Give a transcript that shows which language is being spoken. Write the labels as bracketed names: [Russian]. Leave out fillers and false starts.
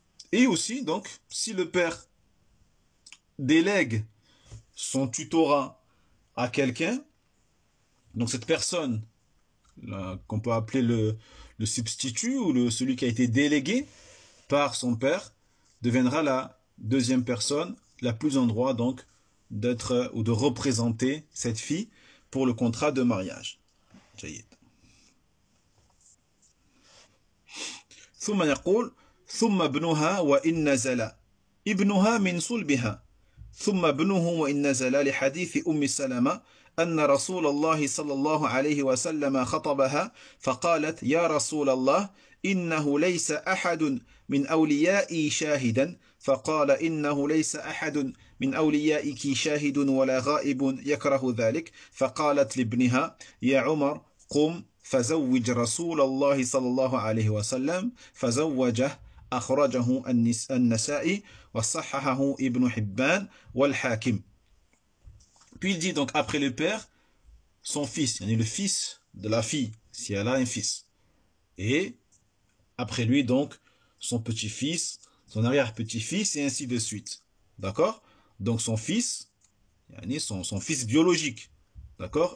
[French] Et aussi, donc, si le père délègue son tutorat à quelqu'un, donc cette personne là, qu'on peut appeler le substitut ou celui qui a été délégué par son père, deviendra la deuxième personne la plus en droit donc d'être ou de représenter cette fille pour le contrat de mariage. [Arabic] Jayid. Thumma yaqul thumma ibnuha wa in nazala ibnuha min sulbiha ثم ابنه وإن نزل لحديث أم سلمة أن رسول الله صلى الله عليه وسلم خطبها فقالت يا رسول الله إنه ليس أحد من أوليائي شاهدا فقال إنه ليس أحد من أوليائك شاهد ولا غائب يكره ذلك فقالت لابنها يا عمر قم فزوج رسول الله صلى الله عليه وسلم فزوجه أخرجه النسائي وصححه ابن حبان والحاكم. [French] Puis il dit donc après le père, son fils, yani le fils de la fille, si elle a un fils. Et après lui donc son petit-fils, son arrière-petit-fils et ainsi de suite. D'accord? Donc son fils, yani son fils biologique. D'accord?